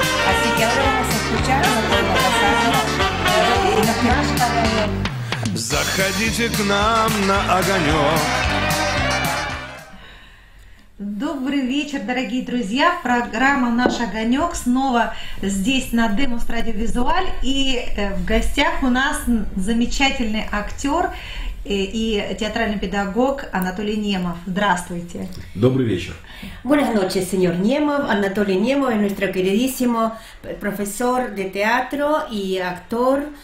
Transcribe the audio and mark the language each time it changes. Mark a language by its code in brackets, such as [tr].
[es] Así que ahora vamos a escuchar lo que va a pasar, ¿no? Y lo que vamos a ver. [ru] Заходите к нам на огонек. Добрый вечер, дорогие друзья. Программа «Наш огонек» снова здесь на Demos Radio Visual. И в гостях у нас замечательный актер и театральный педагог Анатолий Немов. Здравствуйте. Добрый вечер. [es] Buenas noches, señor Немов. Анатолий Немов, nuestro queridísimo profesor de teatro y actor.